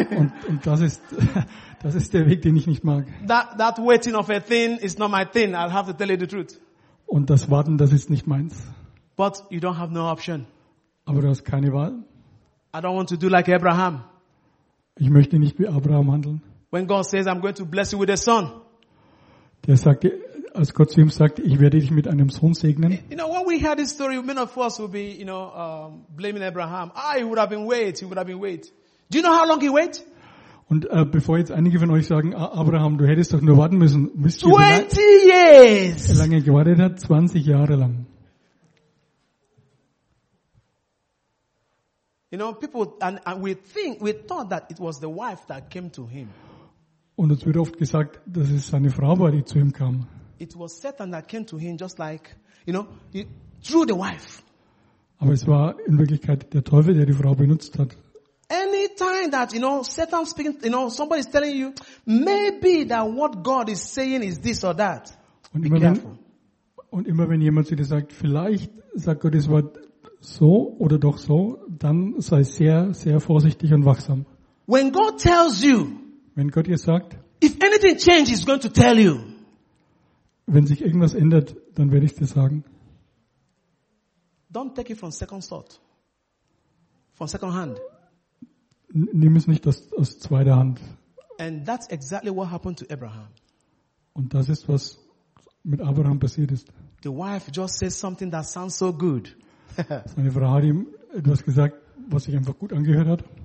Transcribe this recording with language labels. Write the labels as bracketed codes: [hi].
[de] Und das ist der Weg, den ich nicht mag. [en] That waiting of a thing is not my thing. I'll have to tell you the truth. [de] Und das Warten, das ist nicht meins. [en] But you don't have no option. [de] Aber du hast keine Wahl. [en] I don't want to do like Abraham. [de] Ich möchte nicht wie Abraham handeln. [en] When God says I'm going to bless you with a son. [de] Der sagte, als Gott zu ihm sagte, ich werde dich mit einem Sohn segnen. [en] You know, when we hear this story, many of us will be, you know, blaming Abraham. Ah, he would have been wait. Do you know how long he wait? [de] Und bevor jetzt einige von euch sagen, Abraham, du hättest doch nur warten müssen. [en] 20 years! [de] Wie lange gewartet hat? 20 Jahre lang. [en] You know, people, and we thought that it was the wife that came to him. [de] Und es wird oft gesagt, dass es seine Frau war, die zu ihm kam. [en] It was Satan that came to him just like, you know, through the wife. [de] Aber es war in Wirklichkeit der Teufel, der die Frau benutzt hat. [en] Any time that, you know, Satan speaking, you know, somebody is telling you, maybe that what God is saying is this or that. [de] Und immer, wenn jemand zu dir sagt, vielleicht sagt Gott das Wort so oder doch so, dann sei sehr, sehr vorsichtig und wachsam. [en] When God tells you, [de] wenn Gott dir sagt, [en] if anything changes, he's going to tell you. [de] Wenn sich irgendwas ändert, dann werde ich dir sagen. [en] Don't take it from second thought. From second hand. [de] Nimm es nicht aus zweiter Hand. [en] And that's exactly what happened to Abraham. [de] Und das ist, was mit Abraham passiert ist. [en] The wife just says something that sounds so good. [de] Seine Frau hat ihm etwas gesagt, was sich einfach gut angehört hat.